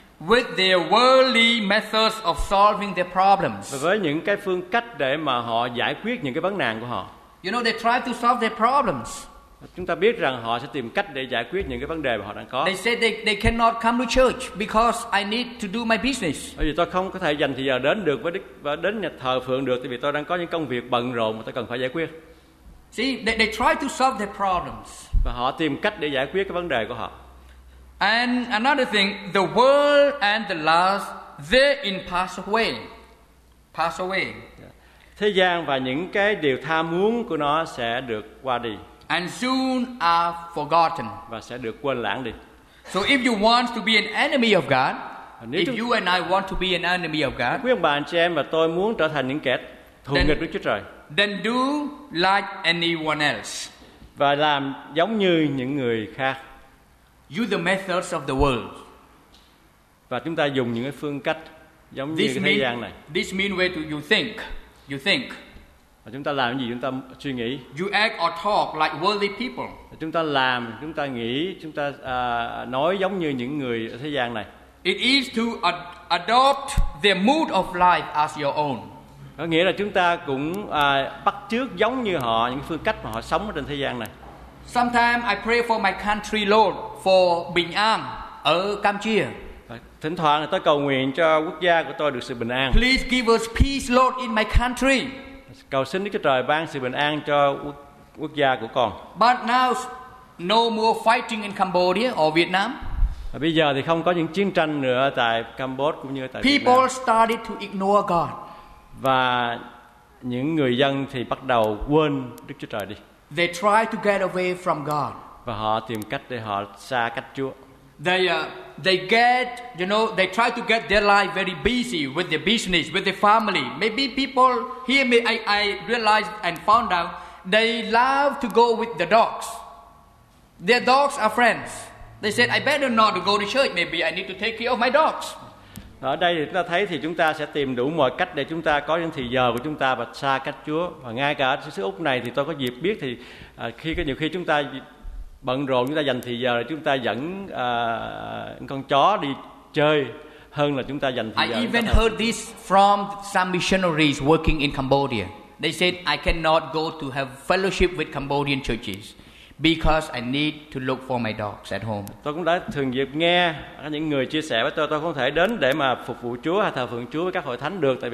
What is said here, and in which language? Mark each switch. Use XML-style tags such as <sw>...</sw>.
<en>With their worldly methods of solving their problems.</en> <vi>Với những cái phương cách để mà họ giải quyết những cái vấn nạn của họ.</vi> <en>You know, they try to solve their problems.</en> <vi>Chúng ta biết rằng họ sẽ tìm cách để giải quyết những cái vấn đề mà họ đang có.</vi> <en>They say they cannot come to church because I need to do my business.</en> <vi>Bởi vì tôi không có thể dành thời giờ đến được với đức và đến nhà thờ phượng được, tại vì tôi đang có những công việc bận rộn mà tôi cần phải giải quyết.</vi> <en>See, they try to solve their problems.</en> <vi>Và họ tìm cách để giải quyết cái vấn đề của họ.</vi> <en>And another thing, the world and the lust, they in pass away. Pass away.</en> <vi>Thế gian và những cái điều tham muốn của nó sẽ được qua đi.</vi> <en>And soon are forgotten.</en> <vi>Và sẽ được quên lãng đi.</vi> <en>So if you want to be an enemy of God, if you and I want to be an enemy of God,</en> <vi>quý ông bà anh chị em và tôi muốn trở thành những kẻ thù nghịch Đức Chúa Trời,</vi> <en>then do like anyone else.</en> <vi>Và làm giống như những người khác.</vi> <en>Use the methods of the world.</en> <vi>Và chúng ta dùng những cái phương cách giống như thế gian này.</vi> <en>This means way to you think.</en> <vi>Chúng ta làm gì, chúng ta suy nghĩ.</vi> <en>You act or talk like worldly people.</en> <vi>Chúng ta làm, chúng ta nghĩ, chúng ta nói giống như những người ở thế gian này.</vi> <en>It is to adopt their mood of life as your own.</en> <vi>Có nghĩa là chúng ta cũng bắt chước giống như họ những phương cách mà họ sống ở trên thế gian này.</vi> <en>Sometimes I pray for my country, Lord, for</en> <vi>bình an ở Campuchia. Thỉnh thoảng tôi cầu nguyện cho quốc gia của tôi được sự bình an.</vi> <en>Please give us peace, Lord, in my country.</en> <vi>Cầu xin Đức Chúa Trời ban sự bình an cho quốc gia của con.</vi> <en>But now no more fighting in Cambodia or Vietnam.</en> <vi>Và bây giờ thì không có những chiến tranh nữa tại Cambodia cũng như tại</vi> <en>Việt Nam. People started to ignore God.</en> <vi>Và những người dân thì bắt đầu quên Đức Chúa Trời đi.</vi> <en>They try to get away from God.</en> <vi>Và họ tìm cách để họ xa cách Chúa.</vi> <en>They try to get their life very busy with their business, with their family. Maybe people hear me, I realized and found out, they love to go with the dogs. Their dogs are friends. They said, I better not go to church, maybe I need to take care of my dogs.</en> <vi>Ở đây thì chúng ta thấy thì chúng ta sẽ tìm đủ mọi cách để chúng ta có những thời giờ của chúng ta và xa cách Chúa. Và ngay cả ở xứ Úc này thì tôi có dịp biết thì khi có nhiều khi chúng ta bận rộn, chúng ta dành thời giờ là chúng ta dẫn con chó đi chơi hơn là chúng ta dành thời giờ.</vi> <en>I even heard this from some missionaries working in Cambodia. They said I cannot go to have fellowship with Cambodian churches because I need to look for my dogs at home.</en> <vi>Tôi cũng đã thường dịp nghe những người chia sẻ với tôi không thể đến để mà phục vụ Chúa hay thờ phượng Chúa với các hội thánh được, tại vì</vi>